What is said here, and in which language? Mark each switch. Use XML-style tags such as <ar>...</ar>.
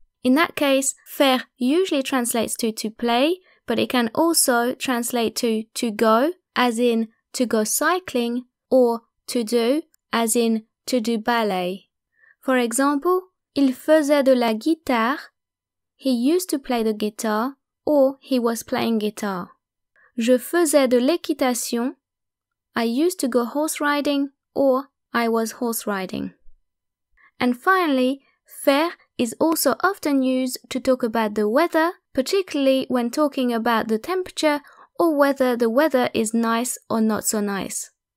<en>In that case, faire usually translates to play, but it can also translate to go, as in to go cycling, or to do, as in to do ballet. For example,</en> <fr>il faisait de la guitare.</fr> <en>He used to play the guitar or he was playing guitar.</en> <fr>Je faisais de l'équitation.</fr> <en>I used to go horse riding or I was horse riding. And finally, faire is also often used to talk about the weather, particularly when talking about the temperature or whether the weather is nice or not so nice.</en>